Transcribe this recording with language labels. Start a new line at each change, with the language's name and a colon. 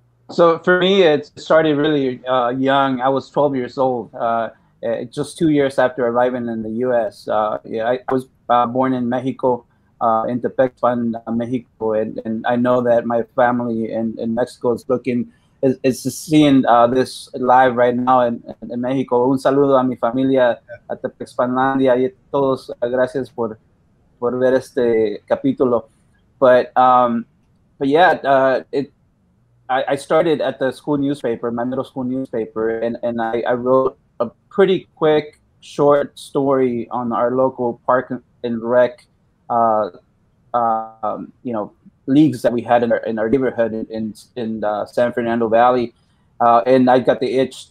English: So for me, it started really young. I was 12 years old, just 2 years after arriving in the U.S. I was born in Mexico, in Tepexpan, Mexico, and I know that my family in Mexico is looking, is seeing this live right now in Mexico.
Spanish: Un saludo a mi familia, a Tepexpanlandia, y todos gracias por ver este capítulo.
English: But yeah, I started at the school newspaper, my middle school newspaper, and I wrote a pretty quick, short story on our local park and rec, you know, leagues that we had in our neighborhood in the San Fernando Valley, and I got the itch.